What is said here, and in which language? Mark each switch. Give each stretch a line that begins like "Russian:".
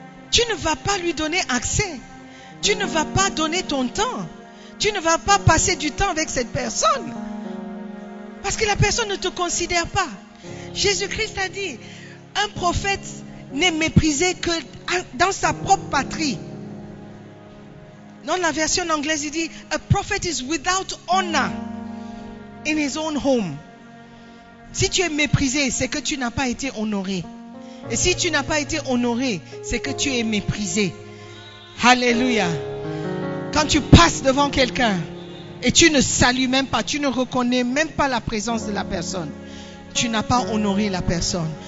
French: Tu ne vas pas lui donner accès. Tu ne vas pas donner ton temps. Tu ne vas pas passer du temps avec cette personne. Parce que la personne ne te considère pas. Jésus-Christ a dit, un prophète n'est méprisé que dans sa propre patrie. Dans la version anglaise, il dit,
English: a prophet is without honor in his own home.
French: Si tu es méprisé, c'est que tu n'as pas été honoré. Et si tu n'as pas été honoré, c'est que tu es méprisé. Alléluia. Quand tu passes devant quelqu'un et tu ne salues même pas, tu ne reconnais même pas la présence de la personne, tu n'as pas honoré la personne.